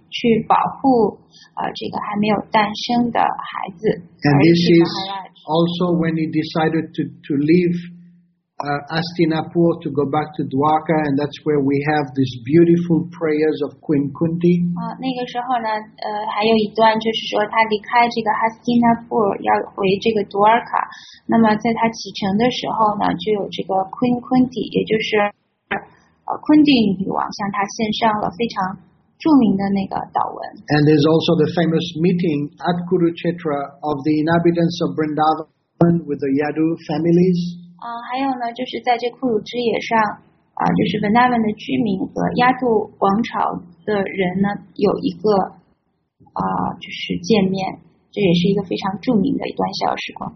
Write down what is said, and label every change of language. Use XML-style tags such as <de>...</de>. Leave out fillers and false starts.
<zh>去保护这个还没有诞生的孩子。</zh> <en>And this is also when he decided to leave Astinapur to go back to Dwarka, and that's where we have these beautiful prayers of Queen Kunti.</en> <zh>那个时候呢，还有一段就是说他离开这个 Astinapur 要回这个 Dwarka， 那么在他启程的时候呢，就有这个 Queen Kunti， 也就是Kunti 女王向他献上了非常。著名的那个祷文。</zh> <en>And there's also the famous meeting at Kurukshetra of the inhabitants of Vrindavan with the Yadu families.</en> <zh>还有呢，就是在这库鲁之野上，就是 Vrindavan 的居民和亚杜王朝的人呢，有一个就是见面，这也是一个非常著名的一段小时光。</zh>